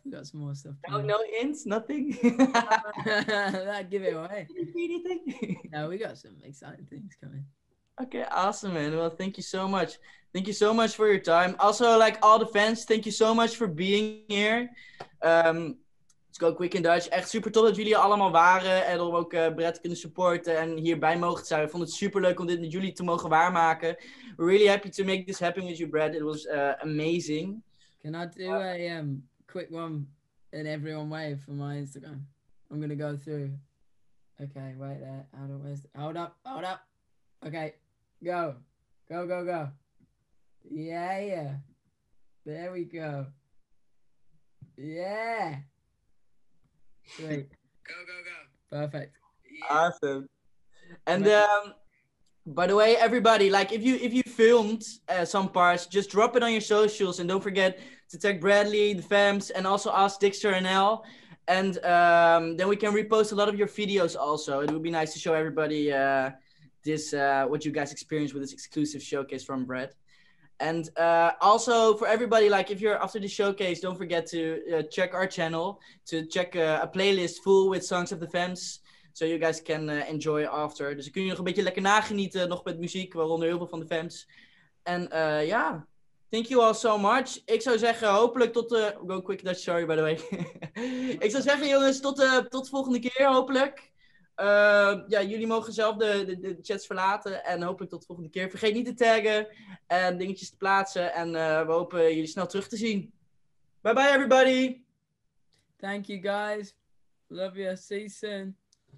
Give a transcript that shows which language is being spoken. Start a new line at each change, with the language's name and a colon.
English: No hints, nothing? That'd give it away. Anything? No, we got some exciting things coming. Okay, awesome, man. Well, thank you so much. Thank you so much for your time. Also, like all the fans, thank you so much for being here. Let's go quick in Dutch.
Dutch: Echt super tof dat jullie allemaal waren en om ook Brett te kunnen supporten en hierbij mogen zijn. Ik vond het super leuk om dit met jullie te mogen waarmaken.
English: Really happy to make this happen with you, Brett. It was amazing. Can I do a quick one in everyone way for my Instagram? I'm gonna go through. Okay, wait there. Hold up. Okay, go. Yeah. There we go. Yeah. Great. Go. Perfect. Yeah. Awesome. And by the way, everybody, like if you filmed some parts, just drop it on your socials and don't forget to tag Bradley, the fams, and also ask Dixter and L. And then we can repost a lot of your videos also. It would be nice to show everybody this what you guys experienced with this exclusive showcase from Brett. And also for everybody, like if you're after the showcase, don't forget to check our channel, to check a playlist full with songs of the Vamps, so you guys can enjoy after.
Dutch: Dus dan kun je nog een beetje lekker nagenieten, nog met muziek, waaronder heel veel van de Vamps. En ja, yeah.
English: Thank you all so much.
Dutch: Ik zou zeggen, hopelijk tot de...
English: Go quick Dutch, sorry by the way.
Dutch: Ik zou zeggen jongens, tot de volgende keer, hopelijk. Ja, jullie mogen zelf de chats verlaten en hopelijk tot de volgende keer. Vergeet niet te taggen en dingetjes te plaatsen en we hopen jullie snel terug te zien.
English: Bye bye everybody. Thank you guys. Love you. See you soon.